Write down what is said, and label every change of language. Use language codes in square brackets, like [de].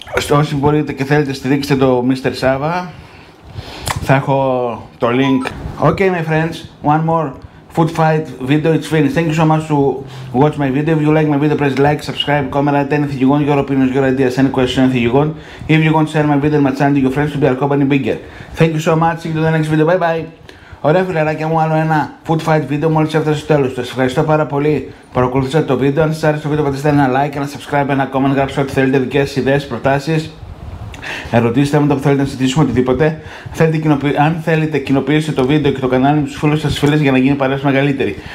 [el] Όσοι μπορείτε και θέλετε, στηρίξτε το Mr. Σάββα. Θα έχω το link. [en] Okay, my friends, one more food fight video, it's finished. Thank you so much to watch my video. If you like my video, press like, subscribe, comment, anything you want, your opinions, your ideas, any questions, anything you want. If you want to share my video, my channel to your friends to be our company bigger. Thank you so much. See you in the next video. Bye bye. [el] Ωραία φιλαράκια μου, άλλο ένα food fight video μόλις έφτασε στο τέλος. Σας ευχαριστώ πάρα πολύ που παρακολουθήσατε το βίντεο. Αν σας άρεσε το βίντεο, πατήστε ένα like, ένα subscribe, ένα comment, γράψτε ό,τι θέλετε, δικές ιδέες, προτάσεις. ερωτήσεις, θέματα που θέλετε να συζητήσουμε, οτιδήποτε. Αν θέλετε, κοινοποιήστε το βίντεο και το κανάλι με τους φίλους σας, φίλες, για να γίνει παρέα μεγαλύτερη.